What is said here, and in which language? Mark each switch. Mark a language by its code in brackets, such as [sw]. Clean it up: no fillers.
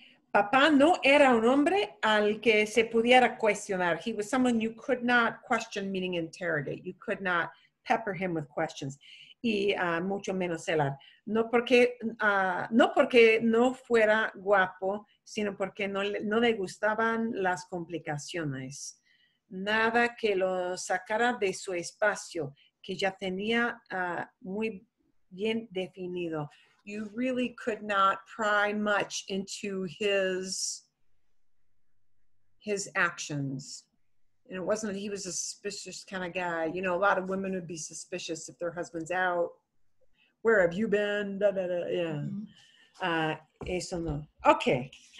[es] Papá no era un hombre al que se pudiera cuestionar. [en] He was someone you could not question, meaning interrogate. You could not pepper him with questions. [es] Y mucho menos celar. No porque no fuera guapo, sino porque no le gustaban las complicaciones. Nada que lo sacara de su espacio, que ya tenía muy bien definido. [en] You really could not pry much into his actions. And it wasn't that he was a suspicious kind of guy. You know, a lot of women would be suspicious if their husband's out. Where have you been? Da, da, da. Yeah. [es] Eso no. [en] Okay.